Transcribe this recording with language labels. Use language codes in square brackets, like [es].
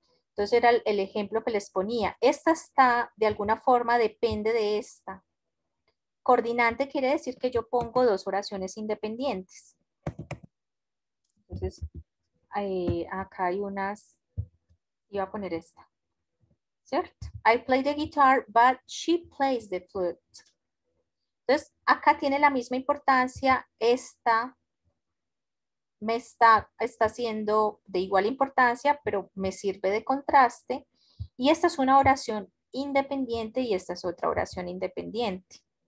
[es] Entonces era el ejemplo que les ponía. Esta está, de alguna forma, depende de esta. Coordinante quiere decir que yo pongo dos oraciones independientes. Entonces, acá hay unas, iba a poner esta. ¿Cierto? [en] I play the guitar, but she plays the flute. [es] Entonces, acá tiene la misma importancia, esta me está siendo de igual importancia, pero me sirve de contraste. Y esta es una oración independiente y esta es otra oración independiente.